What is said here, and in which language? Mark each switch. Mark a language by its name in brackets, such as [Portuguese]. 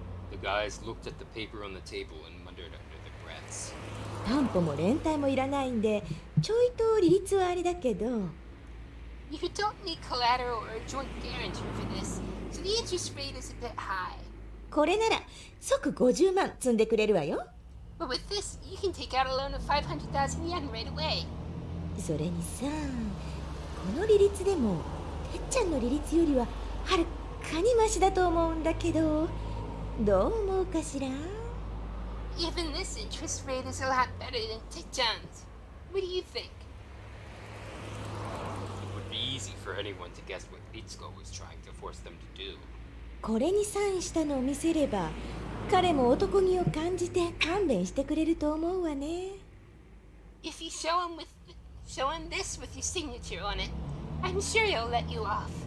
[English] The guys looked at the paper on the table and muttered under their breaths. [Japanese] 担保も連帯もいらないんで、ちょいと利率はあれだけど。 [English] You don't need collateral or a joint guarantee for this, so the interest rate is a bit high. [Japanese] これなら即50万積んでくれるわよ。 [English] But with this, you can take out a loan of 500,000 yen right away. [Japanese] それにさ、この利率でも、てっちゃんの利率よりは、はる、かにマシだと思うんだけど、どう思うかしら？ [English] Even this interest rate is a lot better than Tichan's. What do you think? It would be easy for anyone to guess what Itsuko was trying to force them to do. [Japanese] これにサインしたのを見せれば、彼も男気を感じて勘弁してくれると思うわね。 [English] If you show him this with your signature on it, I'm sure he'll let you off.